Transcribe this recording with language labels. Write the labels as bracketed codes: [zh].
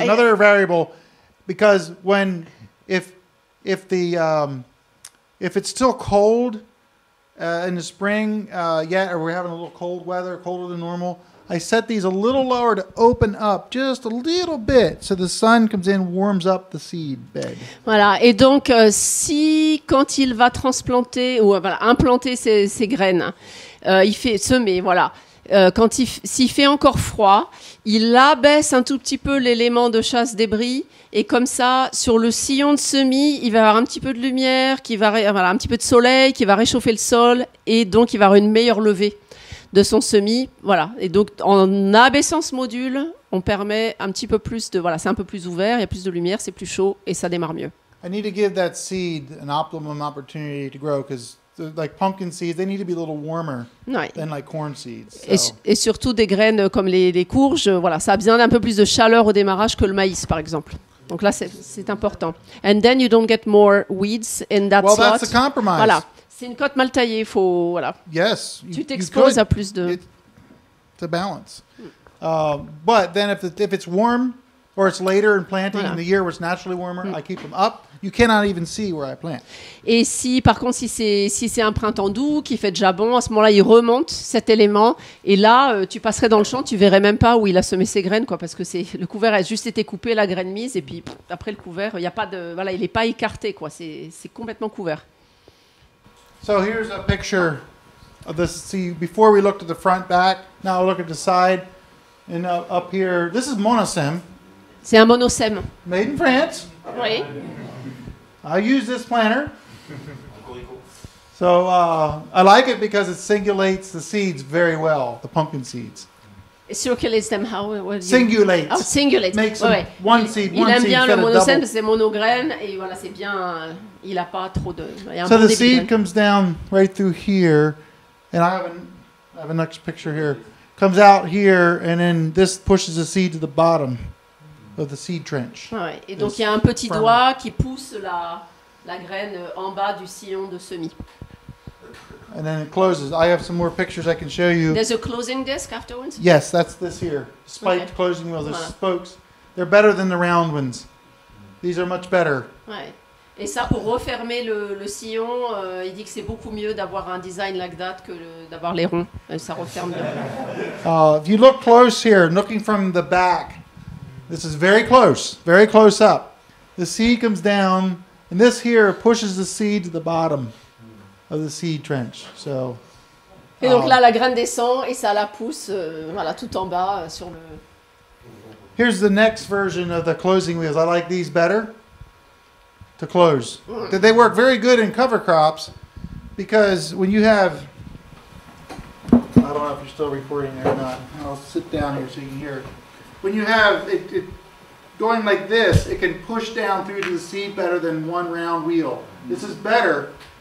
[en] another variable, because when if it's still cold in the spring yet, or we're having a little cold weather, colder than normal, I set these a little lower to open up just a little bit so the sun comes in, warms up the seed bed. [fr] Voilà, et donc si quand il va transplanter ou voilà, implanter ses graines, il fait semer, voilà. Quand il s'il fait encore froid, il abaisse un tout petit peu l'élément de chasse débris et comme ça sur le sillon de semis, il va avoir un petit peu de lumière qui va voilà, un petit peu de soleil qui va réchauffer le sol et donc il va avoir une meilleure levée de son semis, voilà. Et donc, en abaissant ce module, on permet un petit peu plus de... Voilà, c'est un peu plus ouvert, il y a plus de lumière, c'est plus chaud, et ça démarre mieux. [en] I need to give that seed an optimum opportunity to grow, because, like, pumpkin seeds, they need to be a little warmer than, like, corn seeds. So. [fr] Et surtout des graines comme les courges, voilà, ça a besoin d'un peu plus de chaleur au démarrage que le maïs, par exemple. Donc là, c'est important. [en] And then you don't get more weeds in that well, slot. Well, that's a compromise. [fr] Voilà. C'est une côte mal taillée, il faut, voilà. [en] Yes. [fr] Tu t'exposes à plus de... [en] To balance. But then if it's warm, or it's later in planting, voilà. In the year where it's naturally warmer, I keep them up. You cannot even see where I plant. Et si, par contre, si c'est un printemps doux, qui fait déjà bon, à ce moment-là, il remonte cet élément, et là, tu passerais dans le champ, tu verrais même pas où il a semé ses graines, quoi, parce que le couvert a juste été coupé, la graine mise, et puis pff, après le couvert, il n'y a pas de... Voilà, il n'est pas écarté, quoi, c'est complètement couvert. So here's a picture of this. See, before we looked at the front back, now we'll look at the side. And up here, this is monosem. [fr] C'est un monosème. [en] Made in France. [fr] Oui. [en] I use this planter. So I like it because it singulates the seeds very well, the pumpkin seeds. It circulates them how? What singulates. Oh, singulates. Makes [fr] ouais, [en] them one [fr] il, [en] seed, [fr] il [en] one [fr] aime [en] seed [fr] bien le monosème Parce que c'est monograine et voilà, c'est bien, il n'a pas trop de... [en] So the seed comes down right through here and I have a next picture here. Comes out here and then this pushes the seed to the bottom of the seed trench. [fr] Ouais, et donc il y a un petit firm. Doigt qui pousse la graine en bas du sillon de semis. [en] And then it closes. I have some more pictures I can show you. There's a closing disc afterwards? Yes, that's this here. Spiked okay. Closing wheel. There's voilà. Spokes. They're better than the round ones. These are much better. [fr] Ouais. Et ça, pour refermer le sillon, il dit que c'est beaucoup mieux d'avoir un design [en] like that [fr] que d'avoir les ronds. Et ça referme bien. [en] If you look close here, looking from the back, this is very close, very close up. The seed comes down, and this here pushes the seed to the bottom. Of the seed trench, so. Et donc là, la graine descend et ça la pousse, voilà, tout en bas sur le. Here's the next version of the closing wheels. I like these better. To close, they work very good in cover crops, because when you have. I don't know if you're still recording there or not. I'll sit down here so you can hear it. When you have it going like this, it can push down through to the seed better than one round wheel. This is better.